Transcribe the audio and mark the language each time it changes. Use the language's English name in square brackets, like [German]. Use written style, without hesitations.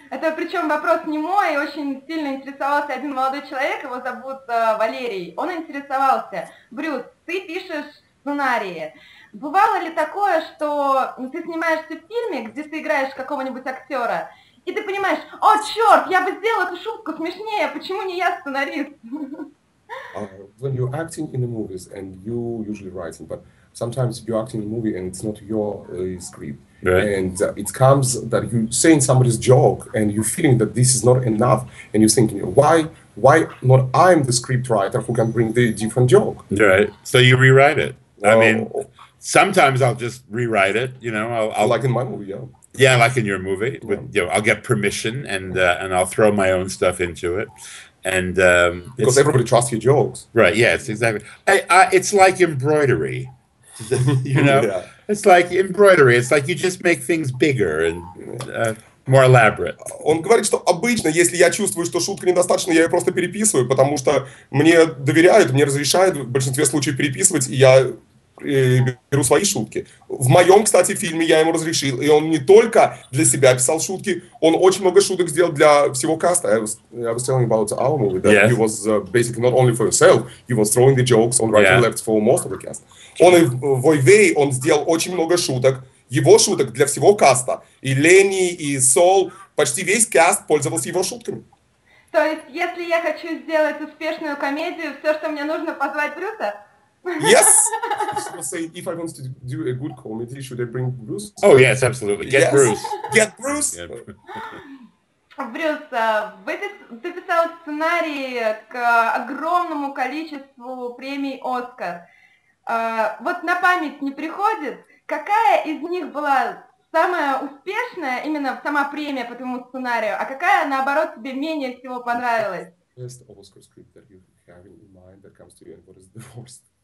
[Russian] Это причем вопрос не мой, очень сильно интересовался один молодой человек, его зовут Валерий. Он интересовался, Брюс, ты пишешь сценарии. Бывало ли такое, что ты снимаешься в фильме, где ты играешь какого-нибудь актера, и ты понимаешь, о, черт, я бы сделал эту шутку смешнее, почему не я сценарист? [English] When you're acting in the movies, and you usually writing, but sometimes you're acting in a movie, and it's not your script. Right. And it comes that you say in somebody's joke and you're feeling that this is not enough and you're thinking, why not I'm the script writer who can bring the different joke? Right. So you rewrite it. I mean, sometimes I'll just rewrite it, you know. I'll like in my movie, yeah. Yeah, like in your movie. Yeah. With, you know, I'll get permission and I'll throw my own stuff into it. And because everybody trusts your jokes. Right, yes, exactly. I it's like embroidery. You know, yeah. It's like embroidery. It's like you just make things bigger and more elaborate. [Russian] Он говорит, что обычно, если я чувствую, что шутка недостаточна, я ее просто переписываю, потому что мне доверяют, мне разрешают в большинстве случаев переписывать, и я беру свои шутки. В моем, кстати, фильме я ему разрешил, и он не только для себя писал шутки, он очень много шуток сделал для всего каста. [English] I was telling about our movie that he was basically not only for himself, he was throwing the jokes on right and left for most of the cast. [Russian] Он и в Ойвей, он сделал очень много шуток, его шуток для всего каста. И Ленни, и Сол, почти весь каст пользовался его шутками. То есть, если я хочу сделать успешную комедию, все, что мне нужно, позвать Брюса? [English] Yes. So say, if I want to do a good comedy, should I bring Bruce? Oh yes, absolutely. Get Bruce. Get Bruce. [Russian] Брюс, ты писал сценарий к огромному количеству премий Оскар. Вот на память не приходит, какая из них была самая успешная, именно сама премия по твоему сценарию, а какая, наоборот, тебе менее всего понравилась? [English] Best Oscar script that you have in mind that comes to you, and what is the worst?